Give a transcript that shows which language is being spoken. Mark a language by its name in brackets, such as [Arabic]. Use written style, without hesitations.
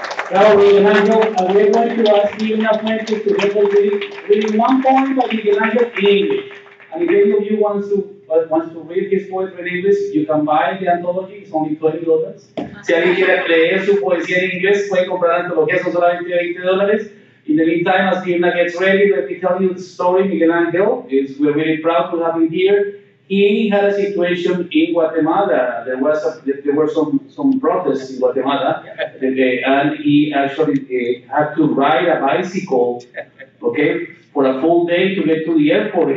[English] Now, Miguel Angel, I would like to ask you enough questions to get the reading one poem by Miguel Angel in English. And if any of you wants to read his poetry in English, you can buy the anthology, it's only $20. [Spanish] Si alguien quiere leer su poesía en inglés, puede comprar la antología, son solamente $20. [English] In the meantime, as Irna gets ready, let me tell you the story, Miguel Angel. We're really proud to have him here. He had a situation in Guatemala. There were some protests in Guatemala, and he actually had to ride a bicycle, okay, for a full day to get to the airport.